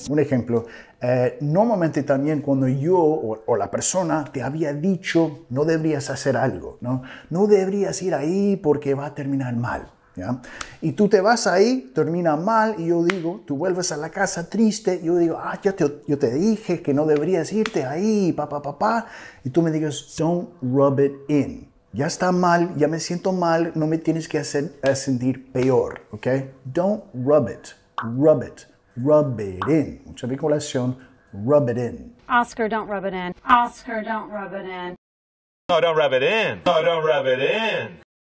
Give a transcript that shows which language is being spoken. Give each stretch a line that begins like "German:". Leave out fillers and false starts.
Spanish: Un ejemplo, normalmente también cuando yo o la persona te había dicho no deberías hacer algo, ¿no? No deberías ir ahí porque va a terminar mal, ¿ya? Y tú te vas ahí, termina mal y yo digo, tú vuelves a la casa triste, yo digo, ah, yo te dije que no deberías irte ahí, pa, pa, pa, pa. Y tú me dices,
English: don't rub it in.
Spanish: Ya está mal, ya me siento mal, no me tienes que hacer sentir peor, ¿ok?
English: Don't rub it, rub it. Rub it in.
Spanish: Mucha vinculación.
English: Rub it in. Oscar, don't rub it in. Oscar, don't rub it in. No, don't rub it in. No, don't rub it in.